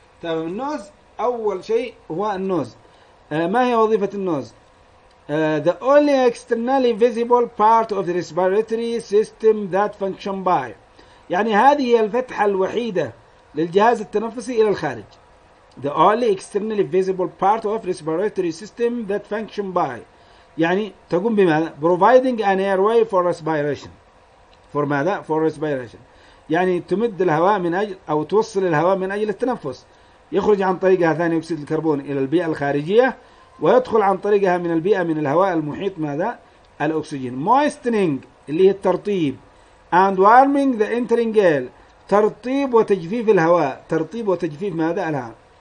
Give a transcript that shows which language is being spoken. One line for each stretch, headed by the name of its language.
Arabic: تمام. النوز أول شيء هو النوز. ما هي وظيفة النوز؟
English: the only externally visible part of the respiratory system that function by،
Arabic: يعني هذه هي الفتحة الوحيدة للجهاز التنفسي إلى الخارج.
English: The only externally visible part of respiratory system that function by،
Arabic: يعني تقوم بماذا؟
English: Providing an airway for respiration. For
Arabic: ماذا؟
English: For respiration.
Arabic: يعني تمد الهواء من أجل، أو توصل الهواء من أجل التنفس. يخرج عن طريقها ثاني أكسيد الكربون إلى البيئة الخارجية، ويدخل عن طريقها من البيئة، من الهواء المحيط ماذا؟ الأكسجين. Moistening اللي هي الترطيب،
English: and warming the entering air،
Arabic: ترطيب وتجفيف الهواء، ترطيب وتجفيف ماذا؟ الهواء.